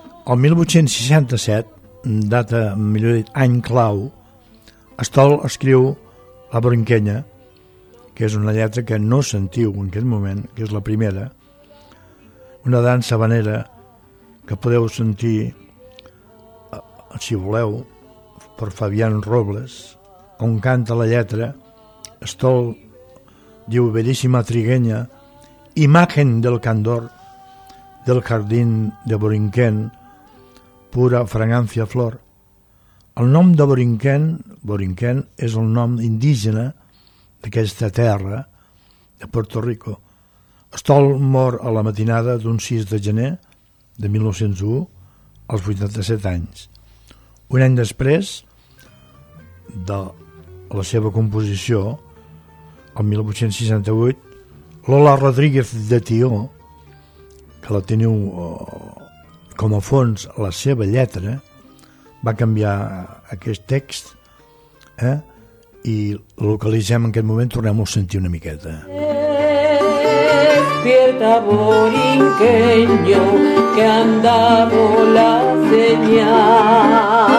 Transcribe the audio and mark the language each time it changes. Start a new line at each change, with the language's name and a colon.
Catalan: El 1867, data, millor dit, any clau, Stoll escriu La Borinquenya, que és una lletra que no sentiu en aquest moment, que és la primera, una dansa habanera que podeu sentir, si voleu, per Fabián Robles, on canta la lletra. Stoll diu:
Spanish: bellíssima trigueña, imagen del candor del jardín de Borinquen, pura fragancia flor.
Catalan: El nom de Borinquen, Borinquen és el nom indígena d'aquesta terra, de Puerto Rico. Stoll mor a la matinada d'un 6 de gener de 1901, als 87 anys. Un any després de la seva composició, el 1868, Lola Rodríguez de Tió, que la teniu com a fons la seva lletra, va canviar aquest text, i localitzem en aquest moment, tornem-ho a sentir una miqueta.
Spanish: Despierta, borinqueño, que andavo la señal.